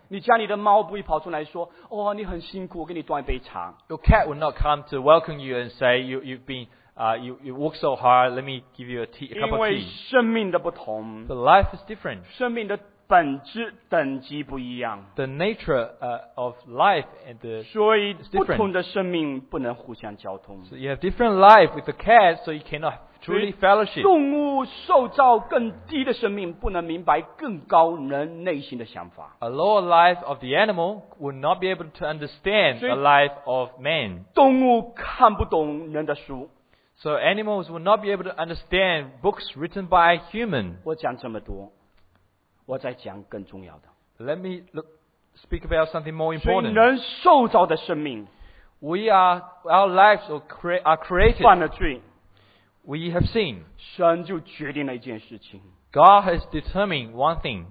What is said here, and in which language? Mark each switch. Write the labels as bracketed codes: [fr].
[zh] 你家里的猫不会跑出来说，哦，你很辛苦，我给你端一杯茶。 [en] Your cat will not come to welcome you and say you've been work so hard, let me give you a cup of tea. [zh] 因为生命的不同。 [en] The life is different. [zh] 生命的本质等级不一样 [en] The nature of life and the [zh] 所以不同的生命不能互相交通 [en] So you have different life with the cat so you cannot truly fellowship [zh] 动物受造更低的生命不能明白更高人内心的想法 [en] A lower life of the animal would not be able to understand the life of man [zh] 动物看不懂人的书 [en] So animals would not be able to understand books written by a human [zh] 我讲这么多我在讲更重要的。 [en] Let me speak about something more important. [zh] 所以人受造的生命 [en] our lives are created. [zh] 犯了罪。 [en] We have sinned. [zh] 神就决定了一件事情。 [en] God has determined one thing.